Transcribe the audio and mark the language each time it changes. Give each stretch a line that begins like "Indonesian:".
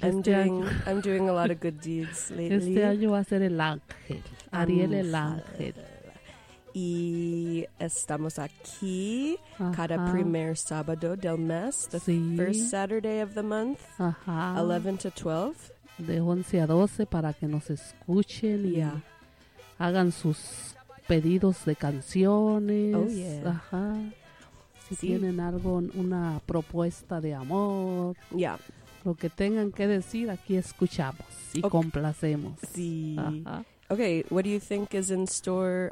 English: I'm doing a lot of good deeds lately.
Spanish: Este año va a ser el ángel, Ariel el ángel. Y estamos aquí cada primer sábado del mes,
English: first Saturday of the month, 11 to 12.
Spanish: De 11 a 12 para que nos escuchen y hagan sus pedidos de canciones.
English: Oh, yeah.
Spanish: Si tienen algo, una propuesta de amor.
English: Yeah.
Spanish: Lo que tengan que decir, aquí escuchamos y complacemos. Sí.
English: Okay, what do you think is in store?